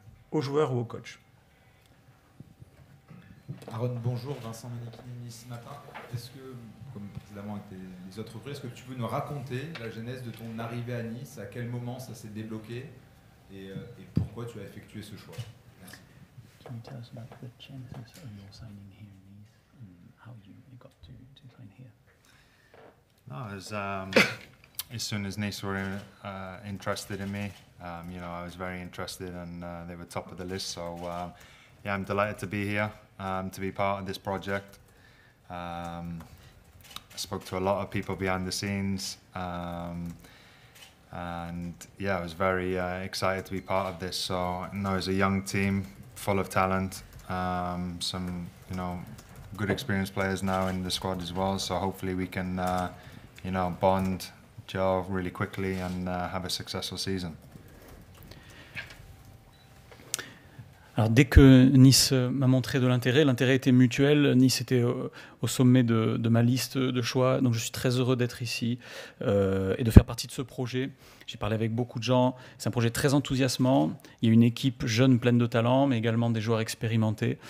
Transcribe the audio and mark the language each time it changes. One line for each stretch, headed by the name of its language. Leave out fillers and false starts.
French: aux joueurs ou aux coachs. Aaron, bonjour. Vincent Manichini, ce matin. Est-ce que, comme précédemment avec les autres groupes, est-ce que tu peux nous raconter la genèse de ton arrivée à Nice, à quel moment ça s'est débloqué et pourquoi tu as effectué ce choix? Merci.
English: can you tell us about the genesis of your signing here in Nice and how you got to sign here? No, as as soon as Nice were interested in me, you know, I was very interested, and they were top of the list. So, yeah, I'm delighted to be here, to be part of this project. I spoke to a lot of people behind the scenes, and yeah, I was very excited to be part of this. So, no, it's a young team, full of talent, some, you know, good experienced players now in the squad as well. So hopefully we can, you know, bond Joe really quickly and have a successful season.
French: Alors, dès que Nice m'a montré de l'intérêt, l'intérêt était mutuel. Nice était au sommet de ma liste de choix. Donc, je suis très heureux d'être ici et de faire partie de ce projet. J'ai parlé avec beaucoup de gens. C'est un projet très enthousiasmant. Il y a une équipe jeune, pleine de talent, mais également des joueurs expérimentés.